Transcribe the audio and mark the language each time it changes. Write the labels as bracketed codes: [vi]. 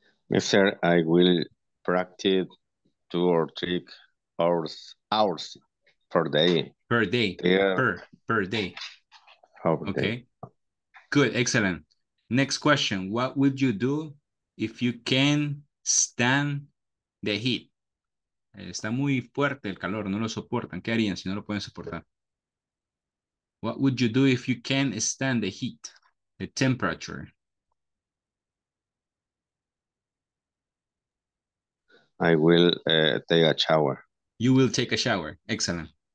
[en] Yes, sir, I will practice 2 or 3 hours per day. Per day, yeah. per day. Okay, good, excellent. Next question, what would you do if you can stand the heat? [es] Está muy fuerte el calor, no lo soportan. ¿Qué harían si no lo pueden soportar? [en] What would you do if you can stand the heat, the temperature? I will take a shower. You will take a shower, excellent.